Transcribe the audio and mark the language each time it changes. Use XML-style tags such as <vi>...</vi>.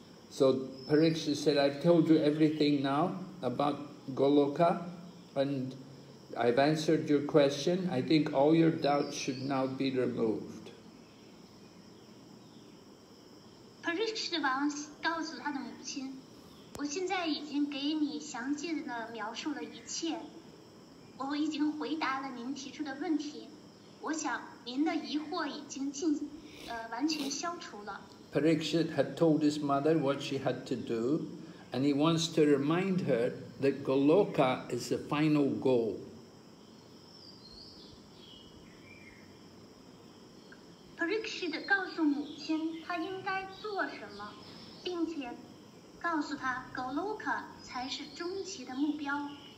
<en>So Parikshit said, I've told you everything now about Goloka, and I've answered your question. I think all your doubts should now be removed.</en> <zh>Parikshit 王告诉他的母亲，我现在已经给你详细的描述了一切，我已经回答了您提出的问题，我想您的疑惑已经完全消除了。</zh> <en>Parikshit had told his mother what she had to do, and he wants to remind her that Goloka is the final goal.</en> <zh>Parikshit 告诉母亲她应该做什么，并且告诉她 Goloka 才是终极的目标。</zh>